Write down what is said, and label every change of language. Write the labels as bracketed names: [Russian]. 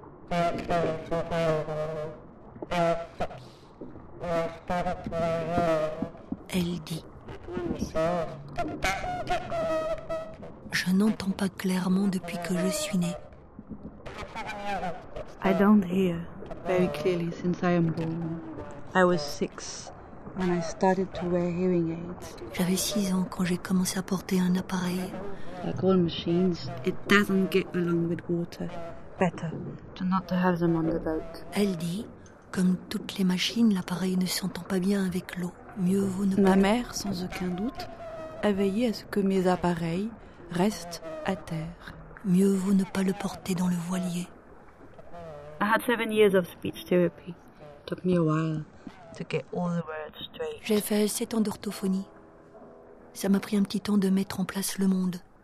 [French] Je n'entends pas clairement depuis que je suis née. [English] I don't hear very clearly since I am born. I was 6 when I started to wear hearing aids. [French] J'avais 6 ans quand j'ai commencé à porter un appareil. [English] Like all machines, it doesn't get along with water. Better to not to have them on the boat. [French] Elle dit, comme toutes les machines, l'appareil ne s'entend pas bien avec l'eau. Mieux vaut ne pas. Ma mère, sans aucun doute, a veillé à ce que mes appareils restent à terre. Mieux vaut ne pas le porter dans le voilier. [English] I had 7 years of speech therapy. It took me a while to get all the words straight. [French] J'ai fait 7 ans d'orthophonie. Ça m'a pris un petit temps de mettre en place le monde.